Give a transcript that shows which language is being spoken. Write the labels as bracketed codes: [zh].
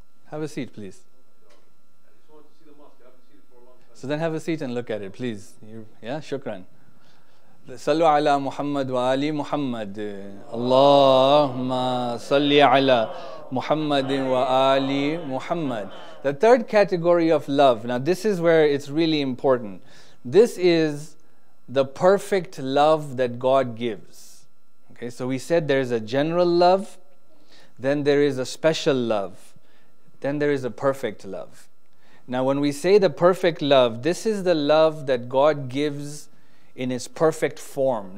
[en] Have a seat, please. So then have a seat and look at it, please. Shukran. [ar] صلوا على محمد وآل محمد اللهم صل على محمد وآل محمد [en] The third category of love. Now this is where it's really important. This is the perfect love that God gives. Okay, so we said there is a general love, then there is a special love, then there is a perfect love. Now when we say the perfect love, this is the love that God gives in its perfect form.